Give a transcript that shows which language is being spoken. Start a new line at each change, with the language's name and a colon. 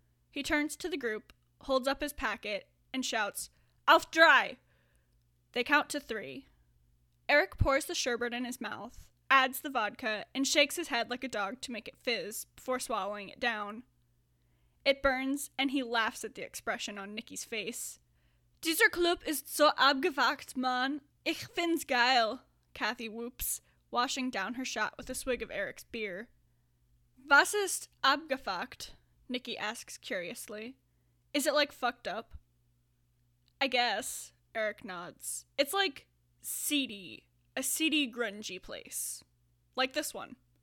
English: He turns to the group, holds up his packet, and shouts,
German: "Auf drei!"
English: They count to three. Eric pours the sherbet in his mouth, adds the vodka, and shakes his head like a dog to make it fizz before swallowing it down. It burns, and he laughs at the expression on Nikki's face.
German: "Dieser Club ist so abgewackt, Mann. Ich find's geil,"
English: Kathy whoops, washing down her shot with a swig of Eric's beer.
German: "Was ist abgefuckt?"
English: Nikki asks curiously. "Is it, like, fucked up?" "I guess," Eric nods. It's like seedy, a seedy, grungy place. Like this one.